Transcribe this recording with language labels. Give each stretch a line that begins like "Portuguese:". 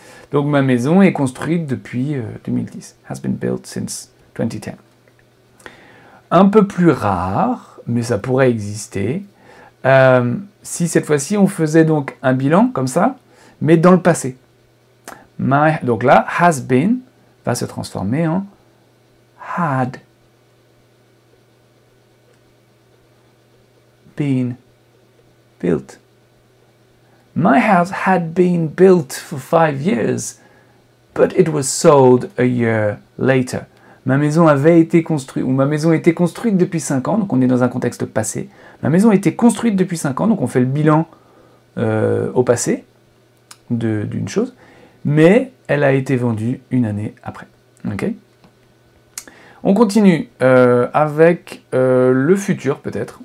French: Donc ma maison est construite depuis 2010.
English: Has been built since 2010.
French: Un peu plus rare, mais ça pourrait exister, si cette fois-ci on faisait donc un bilan comme ça, mais dans le passé. Donc là,
English: has been
French: va se transformer en
English: had been built. My house had been built for 5 years, but it was sold a year later.
French: Ma maison avait été construite, ou ma maison était construite depuis 5 ans, donc on est dans un contexte passé. Ma maison était construite depuis 5 ans, donc on fait le bilan au passé d'une chose, mais elle a été vendue une année après. Okay? On continue avec le futur, peut-être.